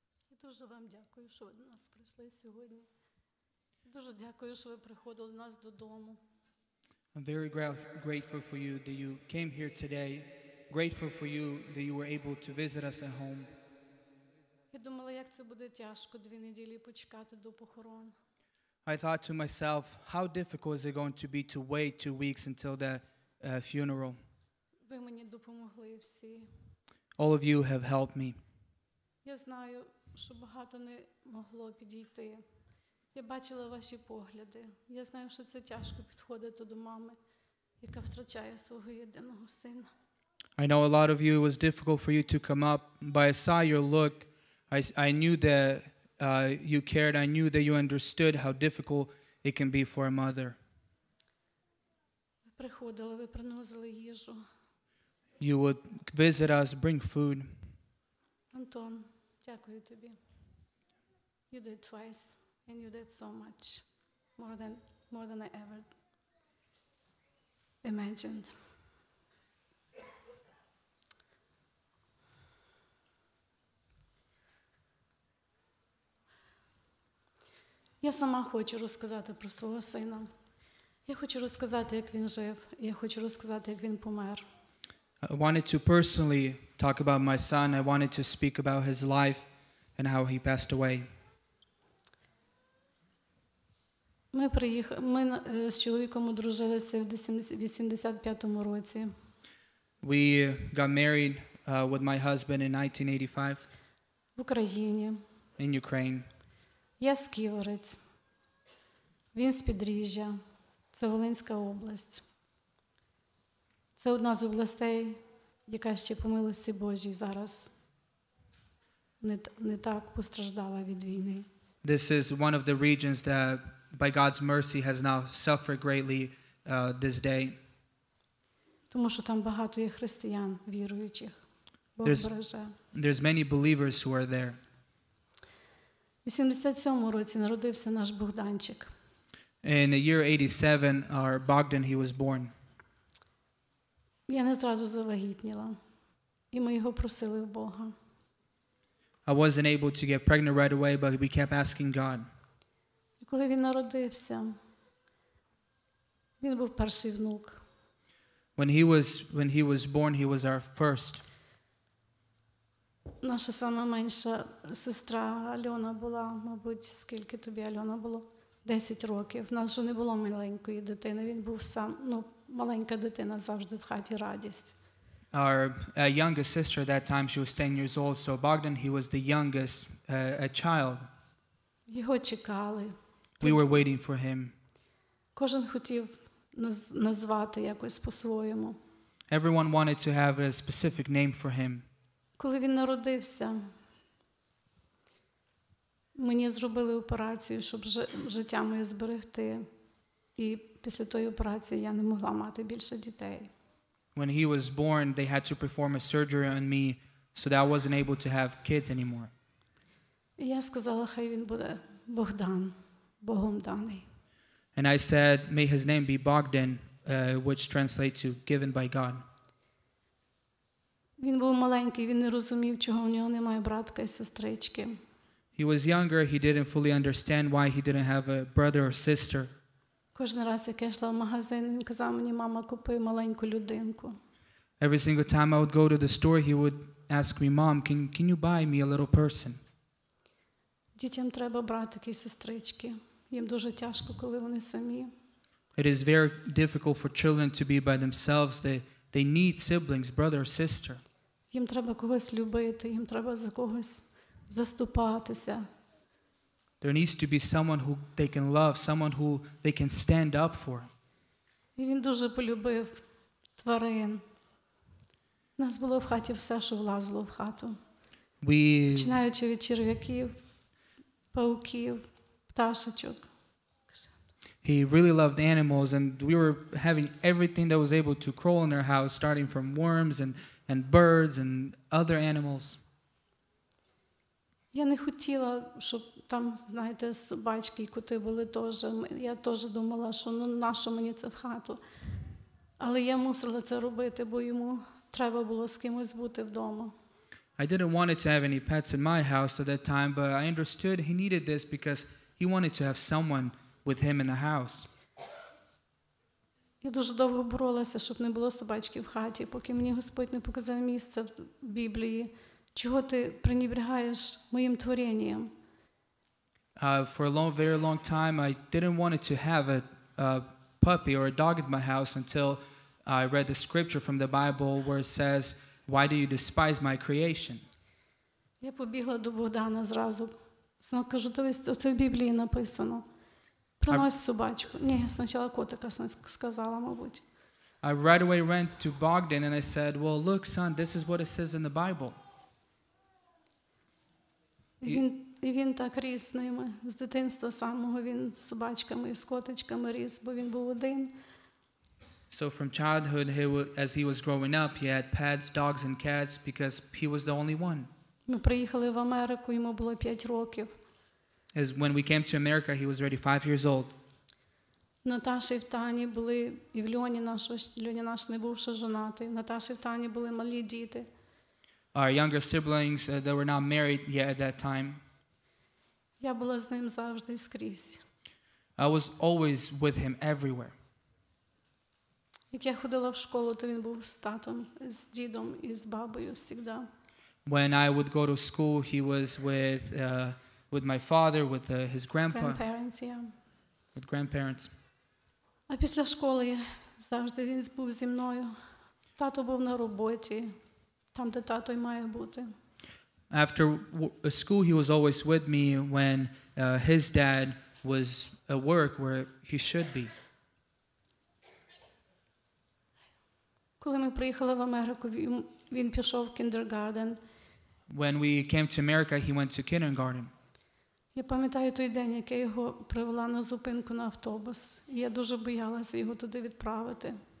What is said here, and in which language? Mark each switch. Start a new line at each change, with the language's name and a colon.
Ukrainian: Дуже вам дякую, що ви до нас прийшли сьогодні. Дуже дякую, що ви приходили до нас додому.
English: I'm very grateful for you that you came here today. Grateful for you that you were able to visit us at home.
Ukrainian: Я думала, як це буде тяжко 2 неділі почекати до похорон.
English: I thought to myself, how difficult is it going to be to wait 2 weeks until the funeral?
Ukrainian: Ви мені допомогли всі.
English: All of you have helped me.
Ukrainian: Я знаю, що багато не могло підійти. Я бачила ваші погляди. Я знаю, що це тяжко підходити до мами, яка втрачає свого єдиного сина.
English: I know a lot of you, it was difficult for you to come up, but I saw your look. I knew that you cared. I knew that you understood how difficult it can be for a mother.
Ukrainian: Ви приходили, ви приносили їжу.
English: You would visit us, bring food.
Ukrainian: Антон, дякую тобі.
English: You did twice, and you did so much, more than I ever imagined.
Ukrainian: Я сама хочу розказати про свого сина. Я хочу розказати, як він жив. Я хочу розказати, як він помер.
English: I wanted to personally talk about my son. I wanted to speak about his life and how he passed away.
Ukrainian: Ми з чоловіком одружилися в 85-му році.
English: We got married with my husband in 1985.
Ukrainian: В Україні.
English: In Ukraine.
Ukrainian: Я з Ківерець. Він з Підріжжя. Це Волинська область. Це одна з областей, яка ще по милості Божій зараз не так постраждала від війни.
English: This is one of the regions that by God's mercy has not suffered greatly this day.
Ukrainian: Тому що там багато є християн віруючих. Бог береже.
English: There's many believers who are there.
Ukrainian: У 87-му році народився наш Богданчик.
English: In the year 87, our Bogdan, he was born.
Ukrainian: Я не зразу завагітніла. І ми його просили в Бога.
English: I wasn't able to get pregnant right away, but we kept asking God.
Ukrainian: І коли він народився, він був перший внук.
English: When he was born, he was our first.
Ukrainian: Наша сама менша сестра Альона була, мабуть, скільки тобі Альона було? 10 років. У нас вже не було маленької дитини. Він був сам, ну, маленька дитина завжди в хаті радість.
English: Our youngest sister at that time, she was 10 years old, so Bogdan, he was the youngest child.
Ukrainian: Його чекали.
English: We were waiting for him.
Ukrainian: Кожен хотів назвати якось по-своєму.
English: Everyone wanted to have a specific name for him.
Ukrainian: Коли він народився, мені зробили операцію, щоб життя моє зберегти. І після тої операції я не могла мати більше дітей.
English: When he was born, they had to perform a surgery on me, so that I wasn't able to have kids anymore.
Ukrainian: І я сказала, хай він буде Богдан, Богом даний.
English: And I said, may his name be Bogdan, which translates to given by God.
Ukrainian: Він був маленький, він не розумів, чого у нього немає братка і сестрички.
English: He was younger, he didn't fully understand why he didn't have a brother or sister.
Ukrainian: Кожен раз, як я йшла в магазин, він казав мені: "Мама, купи маленьку людинку".
English: Every single time I would go to the store, he would ask me: "Mom, can you buy me a little person?"
Ukrainian: Дітям треба братики і сестрички. Їм дуже тяжко, коли вони самі.
English: It is very difficult for children to be by themselves. They need siblings, brother or sister.
Ukrainian: Їм треба когось любити, їм треба за когось заступатися.
English: There needs to be someone who they can love, someone who they can stand up for.
Ukrainian: І він дуже полюбив тварин. У нас було в хаті все, що влазило в хату. Починаючи від черв'яків, пауків, пташечок.
English: He really loved animals, and we were having everything that was able to crawl in our house, starting from worms and birds and other animals.
Ukrainian: Я не хотіла, щоб там, знаєте, собачки і коти були теж. Я теж думала, що ну на що мені це в хату. Але я мусила це робити, бо йому треба було з кимось бути вдома.
English: I didn't want to have any pets in my house at that time, but I understood he needed this because he wanted to have someone with him in the house.
Ukrainian: Я дуже довго боролася, щоб не було собачки в хаті, поки мені Господь не показав місце в Біблії. Чого ти пренебрігаєш моїм творінням?
English: For a long, very long time, I didn't want to have a puppy or a dog in my house until I read the scripture from the Bible where it says, why do you despise my creation?
Ukrainian: Я побігла до Богдана зразу Кажу, дивись, оце в Біблії написано. Приносить собачку. Ні, спочатку котика сказала, мабуть.
English: I right away went to Bogdan and I said, well, look, son, this is what it says in the Bible.
Ukrainian: Він так ріс з ними, з дитинства самого. Він з собачками і з котичками ріс, бо він був один.
English: So from childhood, as he was growing up, he had pets, dogs and cats, because he was the only one.
Ukrainian: Ми приїхали в Америку, йому було 5 років.
English: As when we came to America, he was already 5 years old.
Ukrainian: Наташа і Тані були, і в Льоні наш не був ще жонатий. Наташа і Тані були малі діти.
English: Our younger siblings, they were not married yet at that time.
Ukrainian: Я була з ним завжди скрізь.
English: I was always with him everywhere.
Ukrainian: Як я ходила в школу, то він був з татом, з дідом і з бабою завжди.
English: When I would go to school, he was with my father, with his grandpa. Grandparents, yeah. With grandparents.
Ukrainian: А після школи завжди він був зі мною. Тато був на роботі, там, де тато й має бути.
English: After school, he was always with me when his dad was at work where he should be.
Ukrainian: Коли ми приїхали в Америку, він пішов в kindergarten.
English: When we came to America, he went to kindergarten.
Ukrainian: Я пам'ятаю той день, як я його привела на зупинку на автобус. Я дуже боялася його туди відправити.